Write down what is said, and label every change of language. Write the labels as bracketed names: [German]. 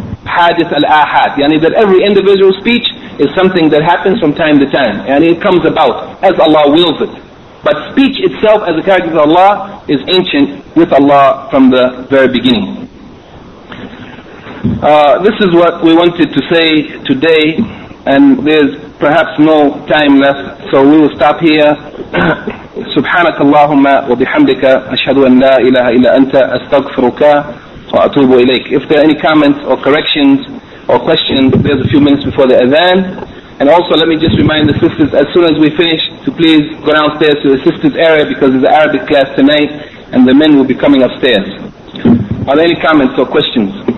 [English] حَادِثْ al-ahad, yani that every individual speech is something that happens from time to time, and it comes about as Allah wills it. But speech itself as a character of Allah is ancient with Allah from the very beginning. This is what we wanted to say today, and there's perhaps no time left, so we will stop here. [Arabic] سبحانك اللهم وبحمدك أشهد أن لا إله إلا أنت أستغفرك وأتوب إليك. [English] If there are any comments or corrections or questions, there's a few minutes before the Adhan. And also let me just remind the sisters, as soon as we finish, to please go downstairs to the sisters' area, because there's an Arabic class tonight and the men will be coming upstairs. Are there any comments or questions?